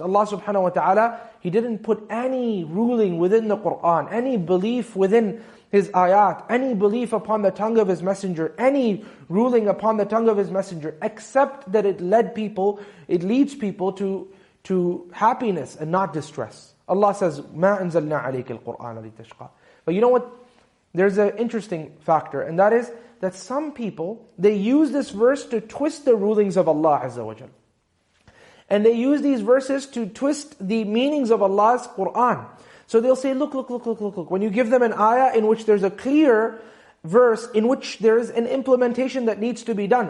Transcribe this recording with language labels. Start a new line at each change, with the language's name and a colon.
English: Allah subhanahu wa ta'ala, He didn't put any ruling within the Qur'an, any belief within His ayat, any belief upon the tongue of His messenger, any ruling upon the tongue of His messenger, except that it leads people to happiness and not distress. Allah says,
Arabic: مَا أَنزَلْنَا عَلَيْكَ الْقُرْآنَ لِتَشْقَى.
English: But you know what? There's an interesting factor, and that is that some people, they use this verse to twist the rulings of Allah Azza wa Jal. And they use these verses to twist the meanings of Allah's Qur'an. So they'll say, look. When you give them an ayah in which there's a clear verse, in which there's an implementation that needs to be done.